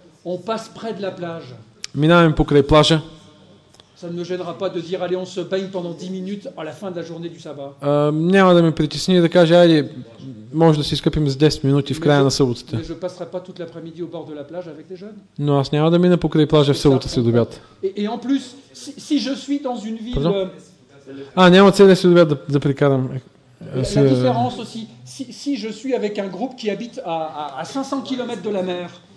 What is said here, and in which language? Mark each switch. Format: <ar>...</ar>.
<fr>on passe près de la plage,</fr> <bg>минаваме покрай плажа,</bg> <fr>ça ne me gênera pas de dire, allez, on se baigne pendant 10 minutes à la fin de la journée du sabbat.</fr> <bg>Няма да ме притесни да кажа, айде, може да се изкъпим за 10 минути в края на съботата.</bg> <fr>Je passerai pas toute l'après-midi au bord de la plage avec les jeunes.</fr> <bg>Но аз няма да мина покрай плажа в събота след обяд.</bg> <fr>Et en plus, si je suis dans une ville.</fr> <bg>Няма целия след обяд да прикарам.</bg> <fr>La différence aussi, si je suis avec un groupe qui habite à 500 km de la mer.</fr>